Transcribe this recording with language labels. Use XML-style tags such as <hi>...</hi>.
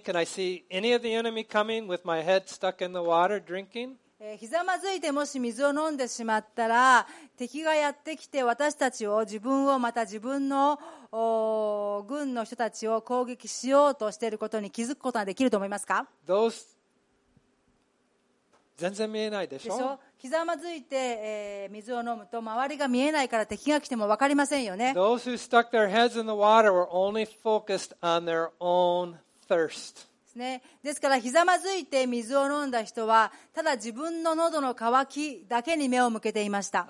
<en>Can I see any of the enemy coming with my head stuck in the water drinking?</en> <ja>ひざまずいてもし水を飲んでしまったら敵がやってきて私たちを自分をまた自分の軍の人たちを攻撃しようとしていることに気づくことができると思いますか？全然見えないでしょ？ひざまずいて水を飲むと周りが見えないから敵が来ても分かりませんよね。</ja> <en>Those who stuck their heads in the water were only focused on their own thirst.</en> <ja>ね、ですからひざまずいて水を飲んだ人はただ自分の喉の渇きだけに目を向けていました。</ja>